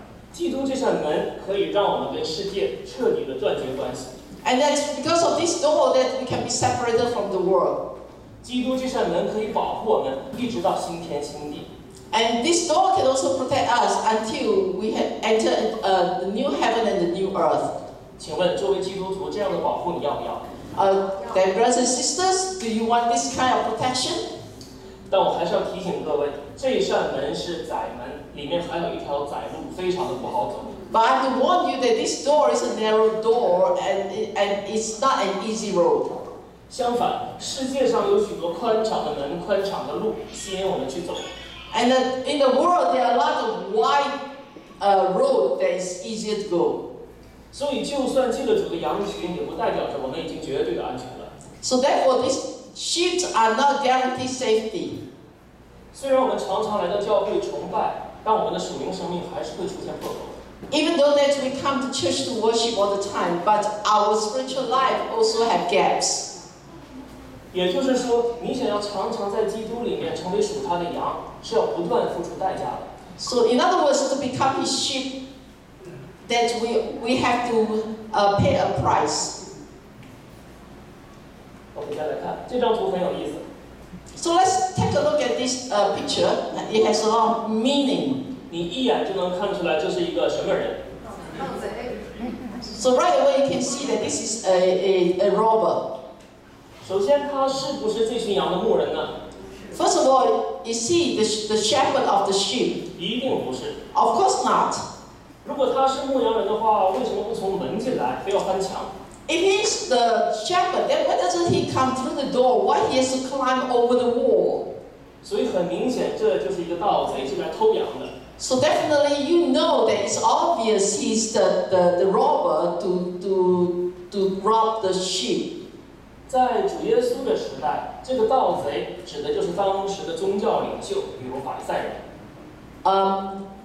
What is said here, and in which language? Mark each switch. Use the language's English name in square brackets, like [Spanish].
[Chinese] 基督这扇门可以让我们跟世界彻底的断绝关系。 [English] And that's because of this door that we can be separated from the world. [Chinese] 基督这扇门可以保护我们一直到新天新地。 [English] And this door can also protect us until we have entered the new heaven and the new earth. [Chinese] 请问，作为基督徒，这样的保护你要不要？ [English] Then brothers and sisters, do you want this kind of protection? [Chinese] 但我还是要提醒各位，这扇门是窄门，里面还有一条窄路，非常的不好走。 [English] But I have to warn you that this door is a narrow door, and it's not an easy road. [Chinese] 相反，世界上有许多宽敞的门、宽敞的路，吸引我们去走。 [English] And in the world, there are a lot of wide road that is easier to go. [Chinese] 所以就算进了主的羊群，也不代表着我们已经绝对的安全了。 [English] So therefore, these sheep are not guaranteed safety. [Chinese] 虽然我们常常来到教会崇拜，但我们的属灵生命还是会出现破口。 [English] Even though that we come to church to worship all the time, but our spiritual life also have gaps. [Chinese] 也就是说，你想要常常在基督里面成为属他的羊，是要不断付出代价的。 [English] So in other words, to become his sheep,that we have to pay a price. [Chinese] Okay, 再来看，这张图很有意思。 [English] So let's take a look at this picture. It has a lot of meaning. [Chinese] 你一眼就能看出来这是一个什么人。 [English] So right away you can see that this is a robber. [Chinese] 首先，他是不是这群羊的牧人呢？ [English] First of all, is he the shepherd of the sheep? [Chinese] 一定不是。 [English] Of course not. [Chinese] 如果他是牧羊人的话，为什么不从门进来，非要翻墙？ [English] If he's the shepherd, then why doesn't he come through the door? Why he has to climb over the wall? [Chinese] 所以很明显，这就是一个盗贼进来偷羊的。 [English] So definitely you know that it's obvious he's the robber to rob the sheep. [Chinese] 在主耶稣的时代，这个盗贼指的就是当时的宗教领袖，比如法利赛人。